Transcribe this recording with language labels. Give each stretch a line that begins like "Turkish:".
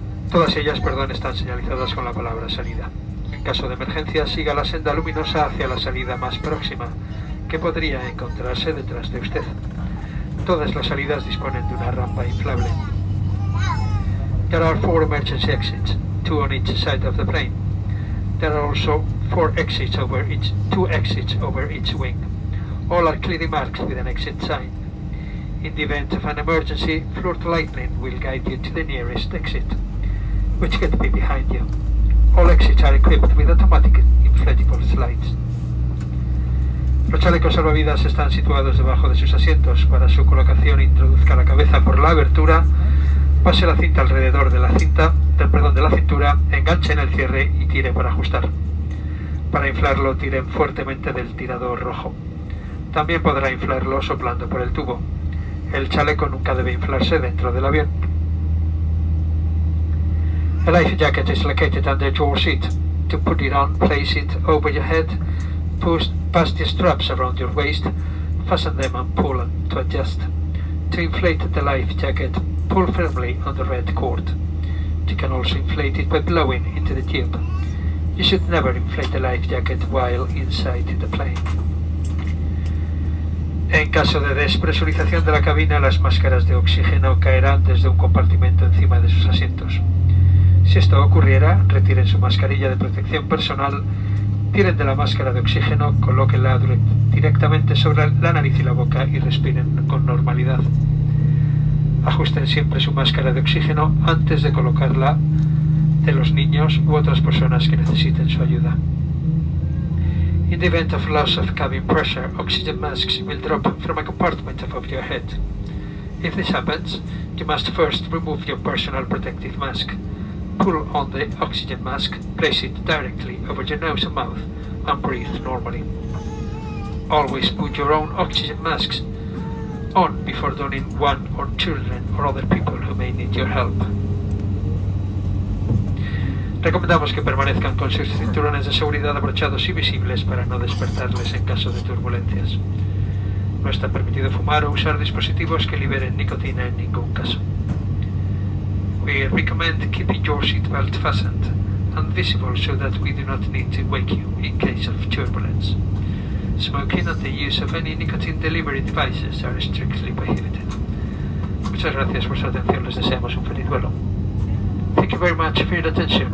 Spanish: Todas ellas, están señalizadas con la palabra salida. En caso de emergencia, siga la senda luminosa hacia la salida más próxima, que podría encontrarse detrás de usted. Todas las salidas disponen de una rampa inflable.
English: There are four emergency exits, two on each side of the plane. There are also two exits over each wing. All are clearly marked with an exit sign. In the event of an emergency, Flirt Lightning will guide you to the nearest exit, which could be behind you. All exits are equipped with automatic inflatable slides.
Spanish: Los chalecos salvavidas están situados debajo de sus asientos. Para su colocación, introduzca la cabeza por la abertura, pase la cinta alrededor de la cinta, de la cintura, enganche en el cierre y tire para ajustar. Para inflarlo, tiren fuertemente del tirador rojo. También podrá inflarlo soplando por el tubo. El chaleco nunca debe inflarse dentro del avión.
English: A life jacket is located under your seat. To put it on, place it over your head. Pass the straps around your waist, fasten them and pull to adjust. To inflate the life jacket, pull firmly on the red cord. You can also inflate it by blowing into the tube. You should never inflate the life jacket while inside the plane.
Spanish: En caso de despresurización de la cabina, las máscaras de oxígeno caerán desde un compartimento encima de sus asientos. Si esto ocurriera, retiren su mascarilla de protección personal. Tiren de la máscara de oxígeno, colóquenla directamente sobre la nariz y la boca y respiren con normalidad. Ajusten siempre su máscara de oxígeno antes de colocarla de los niños u otras personas que necesiten su ayuda.
English: In the event of loss of cabin pressure, oxygen masks will drop from a compartment above your head. If this happens, you must first remove your personal protective mask. Pull on the oxygen mask, place it directly over your nose and mouth, and breathe normally. Always put your own oxygen masks on before donning one or children or other people who may need your help.
Spanish: Recomendamos que permanezcan con sus cinturones de seguridad abrochados y visibles para no despertarles en caso de turbulencias. No está permitido fumar o usar dispositivos que liberen nicotina en ningún caso.
English: We recommend keeping your seatbelt fastened and visible so that we do not need to wake you in case of turbulence. Smoking and the use of any nicotine delivery devices are strictly prohibited.
Spanish: Muchas gracias por su atención. Les deseamos un feliz vuelo.
English: Thank you very much for your attention.